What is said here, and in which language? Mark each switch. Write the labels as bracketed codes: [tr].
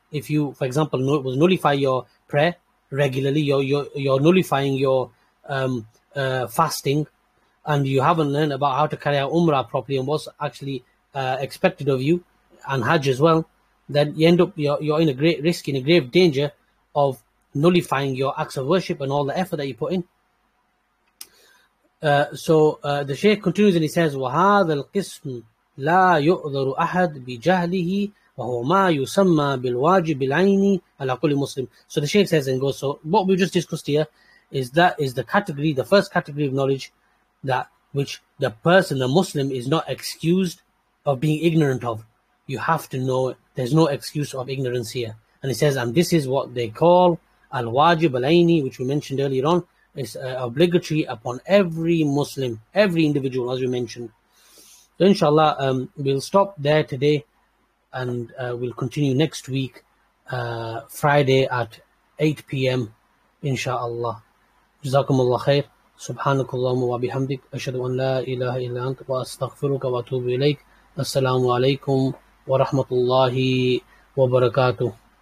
[en] If you, for example, nullify your prayer regularly, you're nullifying your fasting, and you haven't learned about how to carry out Umrah properly and what's actually expected of you, and Hajj as well, then you end up, you're in a great risk, in a grave danger of nullifying your acts of worship and all the effort that you put in. [ar] So the Shaykh continues and he says, وَهَذَا الْقِسْمُ لَا يُؤْذَرُ أَحَدْ بِجَهْلِهِ وَهُوَ مَا يُسَمَّى بِالْوَاجِبِ الْعَيْنِ عَلَى كُلِّ مُسْلِمٍ. [en] So the Shaykh says and goes, so what we just discussed here is the category, the first category of knowledge, that which the person, the Muslim, is not excused of being ignorant of. You have to know it. There's no excuse of ignorance here. And he says, and this is what they call al-wajib al-ayni, which we mentioned earlier on. It's obligatory upon every Muslim, every individual, as we mentioned. So inshallah, we'll stop there today, and we'll continue next week, Friday at 8 p.m., inshallah. Jazakumullah khair. [ar] سبحانك اللهم وبحمدك أشهد أن لا إله إلا أنت وأستغفرك وأتوب إليك السلام عليكم ورحمة الله وبركاته